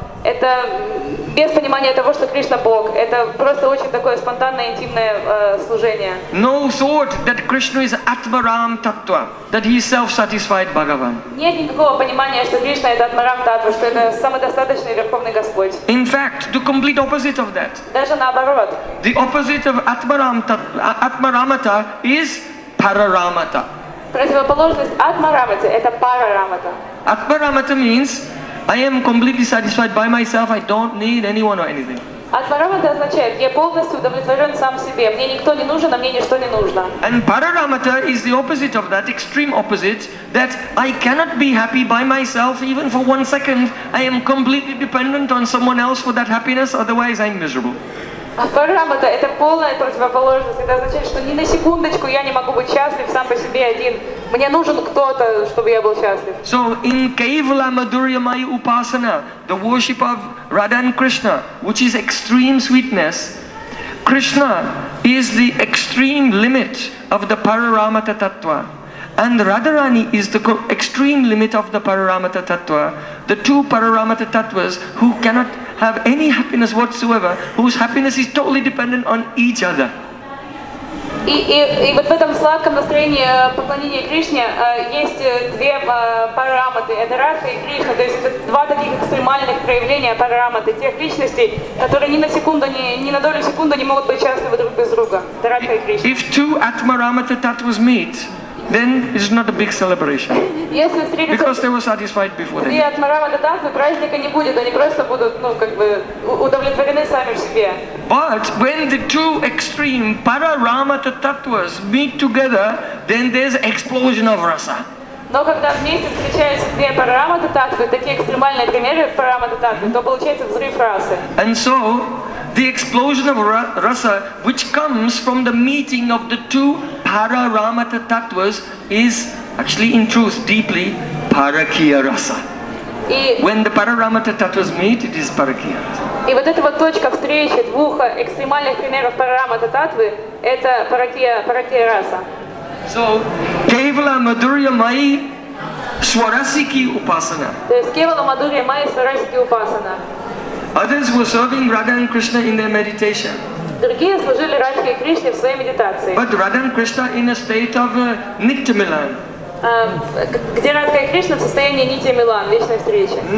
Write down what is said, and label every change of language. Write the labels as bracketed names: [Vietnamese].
[Russian] Это без понимания того, что Кришна Бог. Это просто очень такое спонтанное, интимное служение. [English] No thought that Krishna is Atmaram Tattva, that he is self-satisfied Bhagavan. [Russian] Нет никакого понимания, что Кришна это Атмарам Таттва, что это самодостаточный верховный Господь. [English] In fact, the complete opposite of that. [Russian] Даже наоборот. [English] The opposite of Atmaramata is Pararamata. [Russian] Противоположность Атмарамате это Парарамата. [English] Атмарамата means I am completely satisfied by myself. I don't need anyone or anything. [Russian] Атмарамата означает, я полностью удовлетворен сам себе. Мне никто не нужен, а мне ничто не нужно. [English] And Парарамата is the opposite of that, extreme opposite, that I cannot be happy by myself even for one second. I am completely dependent on someone else for that happiness, otherwise I'm miserable. [Russian] Парарамата это полная противоположность. Это означает, что ни на секундочку я не могу быть счастлив сам по себе один. Мне нужен кто-то, чтобы я был счастлив. [English] So in Kevala Madhurya Mai Upasana, the worship of Radha and Krishna, which is extreme sweetness, Krishna is the extreme limit of the Pararamata Tattva, and Radharani is the extreme limit of the Pararamata Tattva, the two Pararamata Tattvas who cannot have any happiness whatsoever, whose happiness is totally dependent on each other. [Russian] И вот в этом сладком настроении поклонения Кришне есть две парараматы, это Радха и Кришна, то есть это два таких экстремальных проявления парараматы, тех личностей, которые ни на секунду, ни на долю секунды не могут быть счастливы друг без друга, это Радха и Кришна. [English] If two Atmaramata tattvas meet, then it's not a big celebration. Because they were satisfied before then. [Russian] Две Atmaramata tattvы, праздника не будет, они просто будут, ну, как бы, удовлетворены сами в себе. [English] But when the two extreme Pararamata tattvas meet together, then there's explosion of rasa. [Russian] Но когда вместе встречаются две Pararamata tattvы, такие экстремальные примеры Pararamata tattvы, то получается взрыв расы. [English] And so, the explosion of rasa, which comes from the meeting of the two Pararamata tattvas, is actually, in truth, deeply Parakya rasa. When the Pararamata tattvas meet, it is Parakya. [Russian] И вот эта вот точка встречи двух экстремальных примеров Парарамата Таттвы – это Паракия Раса. [English] So, Кевала Мадурья Майи Сварасики Упасана. [Russian] То есть Кевала Мадурья Майи Сварасики Упасана. [English] Others were serving Radha and Krishna in their meditation. [Russian] Другие служили Радхе и Кришне в своей медитации. [English] But Radha and Krishna in a state of Nitya Milan. [Russian] Где Радха и Кришна в состоянии Нитья Милан, вечной встречи.